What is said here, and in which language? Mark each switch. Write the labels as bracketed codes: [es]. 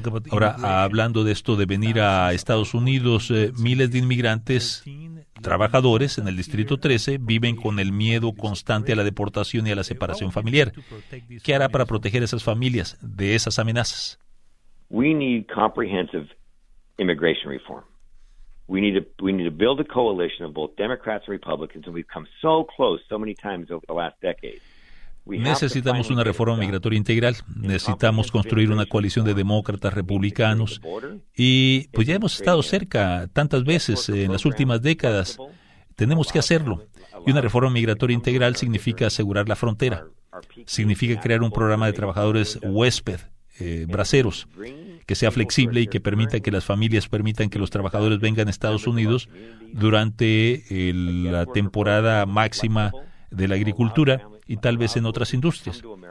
[es] Ahora, hablando de esto de venir a Estados Unidos, miles de inmigrantes trabajadores en el Distrito 13 viven con el miedo constante a la deportación y a la separación familiar. ¿Qué hará para proteger a esas familias de esas amenazas? [en] We need comprehensive immigration reform. We need to build a coalition of both Democrats and Republicans, and we've come so close so many times over the last decade. [es] Necesitamos una reforma migratoria integral. Necesitamos construir una coalición de demócratas, republicanos. Y pues ya hemos estado cerca tantas veces en las últimas décadas. Tenemos que hacerlo. Y una reforma migratoria integral significa asegurar la frontera. Significa crear un programa de trabajadores huésped, braceros, que sea flexible y que permita que las familias permitan que los trabajadores vengan a Estados Unidos durante la temporada máxima de la agricultura y tal vez en otras industrias.